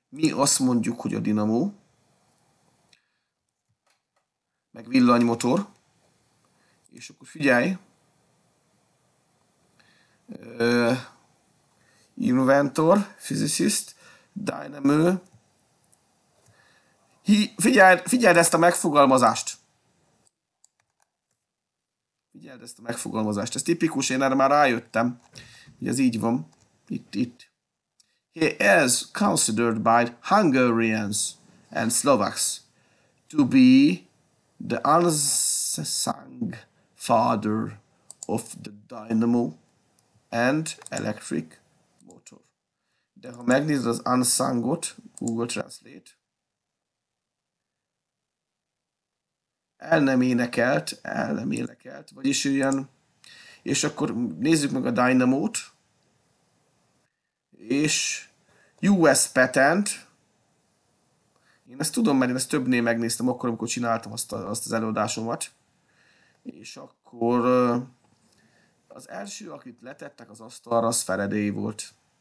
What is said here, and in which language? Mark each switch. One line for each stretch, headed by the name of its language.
Hungarian: Mi azt mondjuk, hogy a dinamó, meg villanymotor, és akkor figyelj,
English: inventor, physicist, dynamo,
Hungarian: figyeld ezt a megfogalmazást! Figyeld ezt a megfogalmazást, ez tipikus, én erre már rájöttem, hogy ez így van, itt.
English: He is considered by Hungarians and Slovaks to be the unsung father of the dynamo and electric motor.
Hungarian: De ha megnézed az unsungot, Google Translate, el nem énekelt, el nem énekelt, vagyis ilyen, és akkor nézzük meg a dynamót, és US patent, én ezt tudom, mert én ezt többnél megnéztem akkor, amikor csináltam azt az előadásomat, és akkor az első, akit letettek az asztalra, az Faraday volt.